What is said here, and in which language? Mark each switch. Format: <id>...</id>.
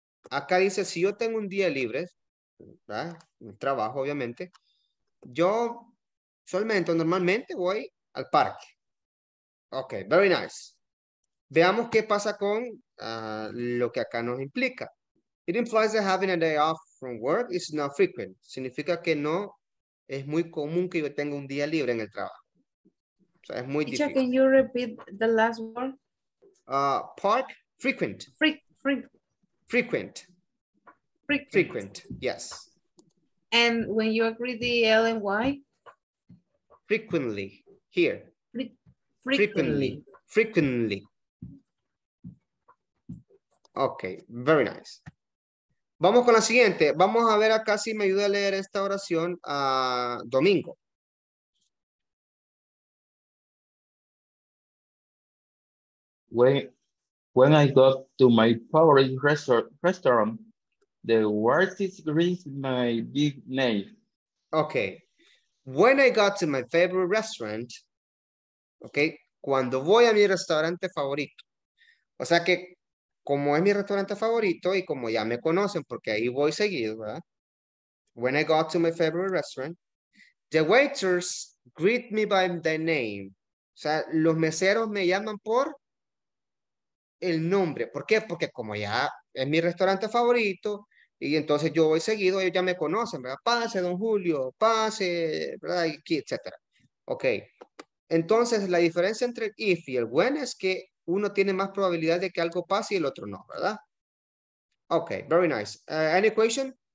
<es>Acá dice, si yo tengo un día libre, ¿verdad? El trabajo, obviamente, yo solamente, normalmente voy al parque.</es> <en>Okay, very nice.</en> <es>Veamos qué pasa con lo que acá nos implica.</es> <en>It implies that having a day off from work is not frequent.</en> <es>Significa que no es muy común que yo tenga un día libre en el trabajo. O sea, es muy difícil.</es> <en>Can you repeat the last word? Park, frequent. Frequent. Frequent, yes. And when you agree the L and Y? Frequently, here. Frequently. Okay, very nice.</en> <es>Vamos con la siguiente. Vamos a ver acá si me ayuda a leer esta oración a Domingo.</es> <en>When I go to my favorite restaurant, the waitress greets my big name. Okay. When I go to my favorite restaurant, okay,</en> <es>cuando voy a mi restaurante favorito. O sea que como es mi restaurante favorito y como ya me conocen, porque ahí voy seguido, ¿verdad?</es> <en>When I go to my favorite restaurant, the waiters greet me by the name.</en> <es>O sea, los meseros me llaman por el nombre. ¿Por qué? Porque como ya es mi restaurante favorito y entonces yo voy seguido, ellos ya me conocen, ¿verdad? Pase, don Julio, pase, ¿verdad? Y aquí, etcétera. Ok. Entonces, la diferencia entre el if y el when es que uno tiene más probabilidad de que algo pase y el otro no, ¿verdad?</es> <en>Okay, very nice. Any question?</en>